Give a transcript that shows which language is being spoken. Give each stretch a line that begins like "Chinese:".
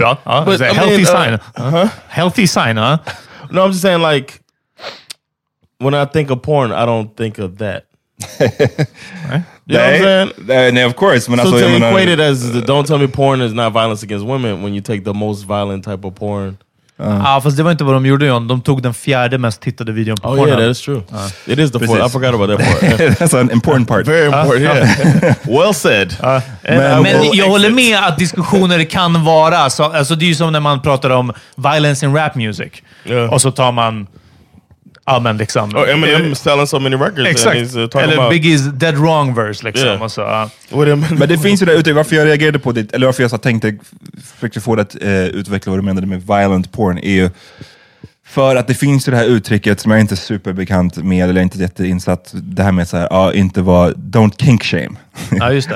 English: But, it's a healthy sign. Uh-huh. Healthy sign, huh? No, I'm just saying like... When I think of porn, I don't think of that. Right? You know what I'm saying? And of course. When so I to equate it as, don't tell me porn is not violence against women when you take the most violent type of porn.
Swedish: Fast det var inte vad de gjorde, John. De tog den fjärde mest tittade videon på porn.
English: Oh yeah, that is true. It is the fourth. I forgot about that part. That's an important part. Very important, yeah. Well said.
Swedish: Men jag håller med att diskussioner kan vara... Så, alltså det är ju som när man pratar om
English: violence in rap music. Yeah.
Swedish: Och så tar man... Ja, men liksom...
English: Oh, Eminem is selling so many records.
Swedish: Exakt.
English: And he's talking about Biggie's Dead Wrong verse, liksom. Yeah. Så,
Swedish: Men det finns ju där ute, varför jag reagerade på det, eller varför jag så tänkte, försökte få det att utveckla vad du menade med violent porn, är ju för att det finns ju det här uttrycket som jag inte är superbekant med, eller inte jätteinsatt, det här med så här, inte vara,
English: don't kink shame.
Swedish: Ja, just det.